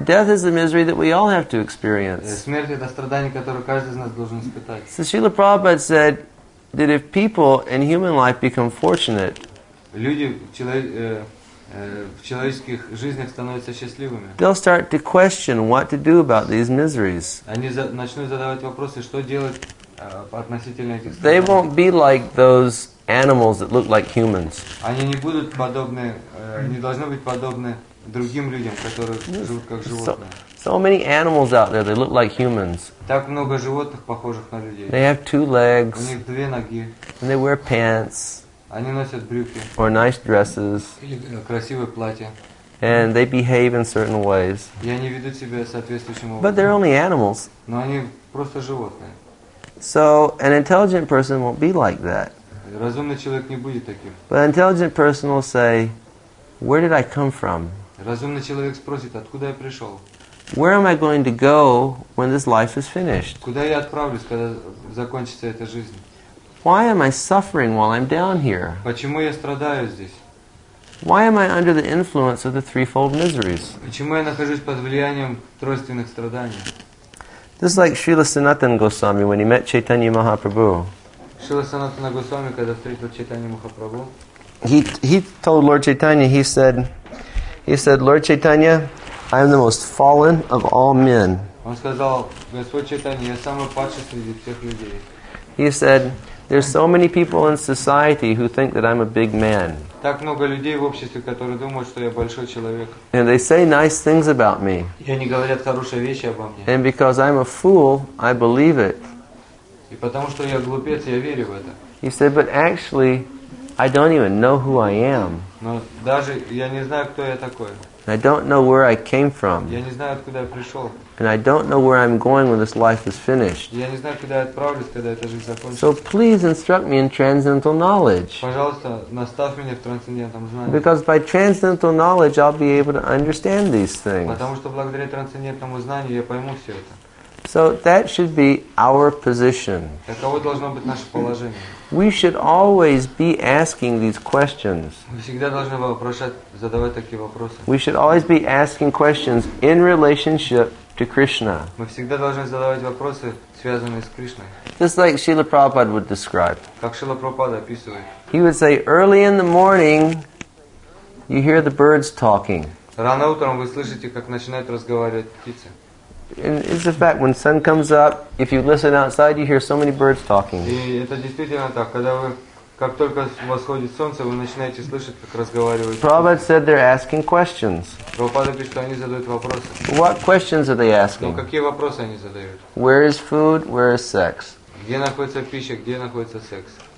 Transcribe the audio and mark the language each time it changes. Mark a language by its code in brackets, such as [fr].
[en] Death is a misery that we all have to experience. [ru] Смерть — это страдание, которое каждый из нас должен испытать. [en] So Srila Prabhupada said that if people in human life become fortunate, [ru] люди в человеческих жизнях становятся счастливыми, [en] they'll start to question what to do about these miseries. [ru] Они начнут задавать вопросы, что делать относительно этих страданий. [en] They won't be like those animals that look like humans. [ru] Они не будут подобны, не должны быть подобны другим людям, которые живут как животные. [en] So many animals out there, they look like humans. [ru] Так много животных, похожих на людей. [en] They have two legs. [ru] У них две ноги. [en] And they wear pants. [ru] Они носят брюки. [en] Or nice dresses. [ru] Или красивые платья. [en] And they behave in certain ways. [ru] И они ведут себя соответствующим образом. [en] But they're only animals. [ru] Но они просто животные. [en] So an intelligent person won't be like that. [ru] Разумный человек не будет таким. [en] But an intelligent person will say, where did I come from? [ru] Разумный человек спросит, откуда я пришел? [en] Where am I going to go when this life is finished? [ru] Куда я отправлюсь, когда закончится эта жизнь? [en] Why am I suffering while I'm down here? [ru] Почему я страдаю здесь? [en] Why am I under the influence of the threefold miseries? [ru] Почему я нахожусь под влиянием тройственных страданий? [en] This is like Srila Sanatana Goswami when he met Chaitanya Mahaprabhu. [ru] Srila Sanatana Goswami, когда встретил Чайтанью Махапрабху, [en] He told Lord Chaitanya, he said, Lord Chaitanya, I am the most fallen of all men. [ru] Он сказал, Господь Чайтанья, я самый падший среди всех людей. [en] He said, there's so many people in society who think that I'm a big man. [ru] Так много людей в обществе, которые думают, что я большой человек. [en] And they say nice things about me. [ru] И они говорят хорошие вещи обо мне. [en] And because I'm a fool, I believe it. [ru] И потому что я глупец, я верю в это. [en] He said, but actually, I don't even know who I am. [ru] Но даже я не знаю, кто я такой. [en] I don't know where I came from. [ru] Я не знаю, откуда я пришел. [en] And I don't know where I'm going when this life is finished. [ru] Я не знаю, куда я отправлюсь, когда эта жизнь закончится. [en] So please instruct me in transcendental knowledge. [ru] Пожалуйста, наставь меня в трансцендентном знании. [en] Because by transcendental knowledge, I'll be able to understand these things. [ru] Потому что благодаря трансцендентному знанию я пойму все это. [en] So that should be our position. [ru] Таково должно быть наше положение. [en] We should always be asking these questions. [ru] Мы всегда должны вопрошать, задавать такие вопросы. [en] We should always be asking questions in relationship to Krishna. [ru] Мы всегда должны задавать вопросы, связанные с Кришной. [en] Just like Srila Prabhupada would describe. [ru] Как Шрила Прабхупада описывает. [en] He would say, early in the morning, you hear the birds talking. [ru] Рано утром вы слышите, как начинают разговаривать птицы. [en] And it's a fact, when sun comes up, if you listen outside, you hear so many birds talking. [ru] И это действительно так, когда вы, как только восходит солнце, вы начинаете слышать, как разговаривают. [en] Prabhupada said they're asking questions. [ru] Прабхупада пишет, что они задают вопросы. [en] What questions are they asking? [ru] Ну, какие вопросы они задают? [en] Where is food? Where is sex? [ru] Где находится пища? Где находится секс?